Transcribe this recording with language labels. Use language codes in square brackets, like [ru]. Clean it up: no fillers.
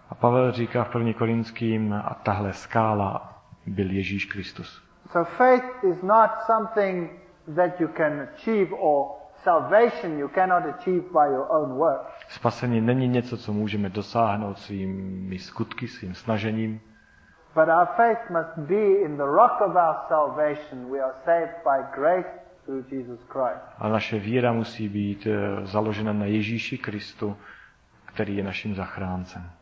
[cs] A Pavel říká v 1. Korinským, a tahle skála byl Ježíš Kristus. [en] So faith is not something that you can achieve, or salvation you cannot achieve by your own work. [cs] Spasení není něco, co můžeme dosáhnout svými skutky, svým snažením. [en] But our faith must be in the rock of our salvation. We are saved by grace through Jesus Christ. [cs] A naše víra musí být založena na Ježíši Kristu, který je naším zachráncem.